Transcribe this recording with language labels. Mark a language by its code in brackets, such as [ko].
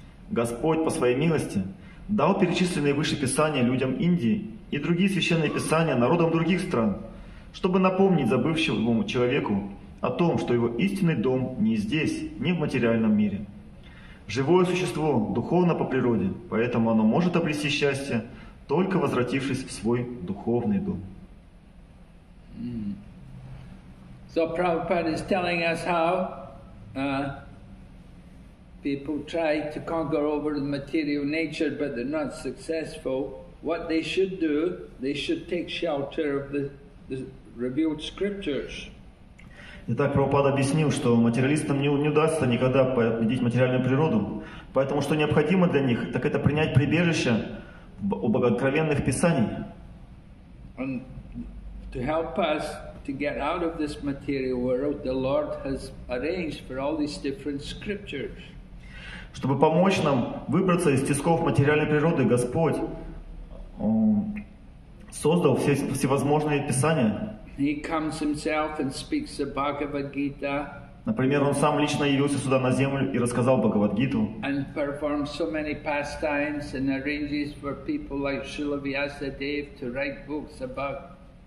[ru] Господь по своей милости дал перечисленные выше писания людям Индии и другие священные писания народам других стран, чтобы напомнить забывшему человеку о том, что его истинный дом не здесь, не в материальном мире. Живое существо духовно по природе, поэтому оно может обрести счастье, только возвратившись в свой духовный дом. [en] So Prabhupada is telling us how people try to conquer over the material nature, but they're not successful. What they should do, they should take shelter of the revealed scriptures. [ru] Итак, Прабхупада объяснил, что материалистам не удастся никогда победить материальную природу, поэтому что необходимо для них, так это принять прибежище у богооткровенных писаний. [en] And to help us to get out of this material world, the Lord has arranged for all these different scriptures. [ru] Чтобы помочь нам выбраться из тисков материальной природы, Господь создал всевозможные писания. [en] He comes himself and speaks the Bhagavad-gita. [ru] Например, он сам лично явился сюда на землю и рассказал Бхагавад-гиту. [en] And performs so many pastimes and arranges for people like Srila Vyasadeva to write books about